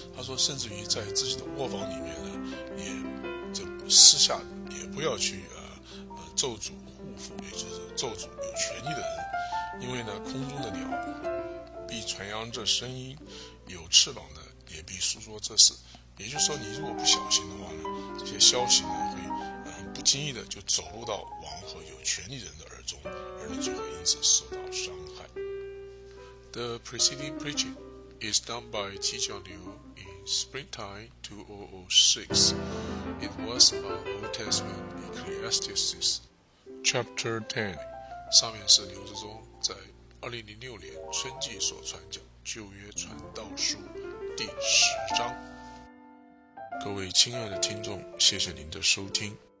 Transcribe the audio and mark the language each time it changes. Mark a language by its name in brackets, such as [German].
[Chinese] 他说甚至于在自己的卧房里面呢，也就私下也不要去咒诅护腹，也就是咒诅有权力的人，因为呢空中的鸟必传扬这声音，有翅膀的也必诉说这事。也就是说你如果不小心的话呢，这些消息呢会不经意的就走入到王和有权力人的耳中，而你就会因此受到伤害。 [English] The preceding preaching is done by Tze-John Liu in Springtime 2006. It was about Old Testament Ecclesiastes Chapter 10. [Chinese] 上面是刘志忠在2006年春季所传讲旧约传道书第10章。各位亲爱的听众，谢谢您的收听。